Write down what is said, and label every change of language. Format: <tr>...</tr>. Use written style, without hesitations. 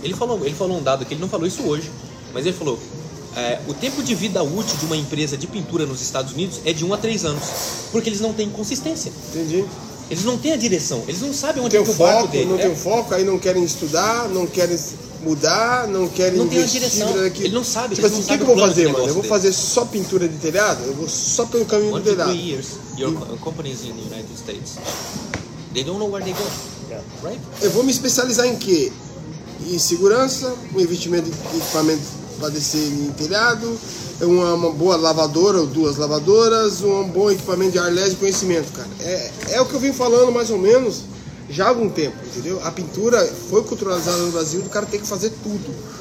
<pt>Ele falou um dado que ele não falou isso hoje, mas ele falou... o tempo de vida útil de uma empresa de pintura nos Estados Unidos é de 1 a 3 anos, porque eles não têm consistência. Entendi. Eles não têm a direção, eles não sabem onde é o foco dele. Não tem o foco, aí não querem estudar, não querem mudar, não querem não investir. Não tem a direção, ele não sabe. Tipo assim, o que eu vou fazer, mano? Eu vou fazer só pintura de telhado? Eu vou só pelo caminho do telhado?</pt> <en>1 to 3 years, your companies in the United States, they don't know where they go, right?</en> <pt>Eu vou me especializar em quê? Em segurança, um investimento em equipamento para descer em telhado, uma boa lavadora ou duas lavadoras, um bom equipamento de airless e conhecimento, cara. É o que eu vim falando mais ou menos já há algum tempo, entendeu? A pintura foi culturalizada no Brasil, o cara tem que fazer tudo.</pt>